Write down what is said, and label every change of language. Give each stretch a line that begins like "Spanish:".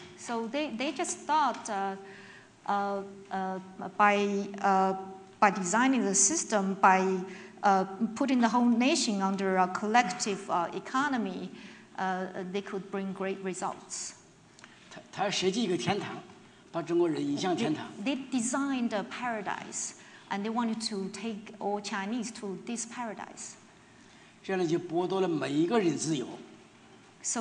English: So they just thought by designing the system by putting the whole nation under a collective economy, they could bring great results.
Chinese: 他设计一个天堂，把中国人引向天堂。
English: They designed a paradise, and they wanted to take all Chinese to this paradise.
Chinese: 这样就剥夺了每一个人自由。
English: So